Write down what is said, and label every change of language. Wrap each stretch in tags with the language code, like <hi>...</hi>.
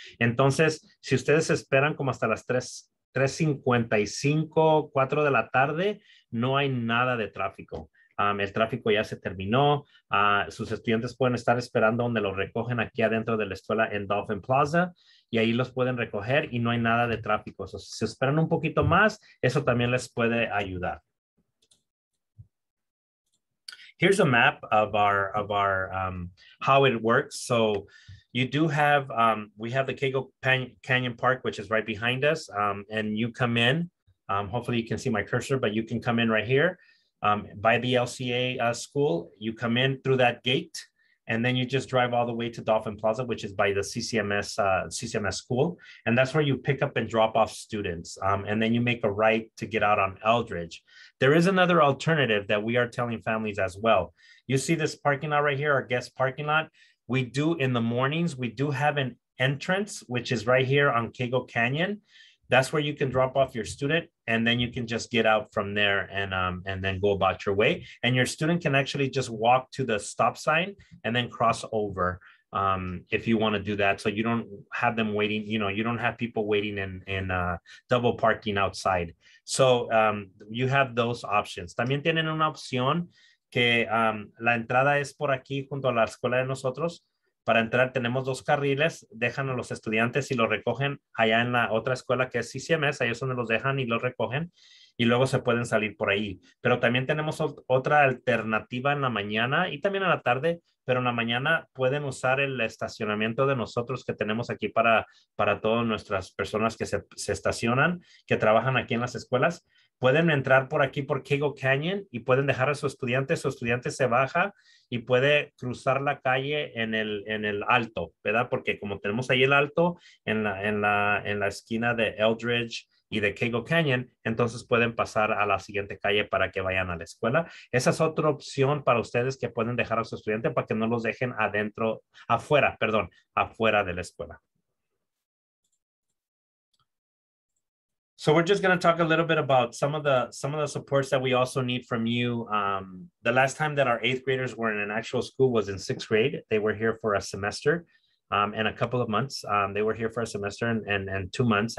<es>Entonces, si ustedes esperan como hasta las 3:55, 4 de la tarde, no hay nada de tráfico. El tráfico ya se terminó. Sus estudiantes pueden estar esperando donde los recogen aquí adentro de la escuela en Dauphin Plaza. Y ahí los pueden recoger y no hay nada de tráfico. So, si se esperan un poquito más, eso también les puede ayudar.</es> <en>here's a map of our how it works. So you do have, we have the Cagle Canyon Park, which is right behind us. And you come in, hopefully you can see my cursor, but you can come in right here by the LCA school. You come in through that gate, and then you just drive all the way to Dolphin Plaza, which is by the CCMS school. And that's where you pick up and drop off students. And then you make a right to get out on Eldridge. There is another alternative that we are telling families as well. You see this parking lot right here, our guest parking lot. We do, in the mornings, we do have an entrance, which is right here on Cagle Canyon. That's where you can drop off your student, and then you can just get out from there and then go about your way. And your student can actually just walk to the stop sign and then cross over if you want to do that. So you don't have them waiting, you know, you don't have people waiting in double parking outside. So you have those options.</en> <es>También tienen una opción que la entrada es por aquí junto a la escuela de nosotros. Para entrar tenemos dos carriles, dejan a los estudiantes y los recogen allá en la otra escuela que es CCMS, ahí es donde los dejan y los recogen y luego se pueden salir por ahí. Pero también tenemos otra alternativa en la mañana y también en la tarde, pero en la mañana pueden usar el estacionamiento de nosotros que tenemos aquí para todas nuestras personas que se estacionan, que trabajan aquí en las escuelas. Pueden entrar por aquí por Cagle Canyon y pueden dejar a su estudiante se baja y puede cruzar la calle en el alto, ¿verdad? Porque como tenemos ahí el alto en la esquina de Eldridge y de Cagle Canyon, entonces pueden pasar a la siguiente calle para que vayan a la escuela. Esa es otra opción para ustedes que pueden dejar a su estudiante para que no los dejen afuera de la escuela.</es> <en>So we're just going to talk a little bit about some of the supports that we also need from you. The last time that our eighth graders were in an actual school was in sixth grade. They were here for a semester and a couple of months. They were here for a semester and 2 months.</en>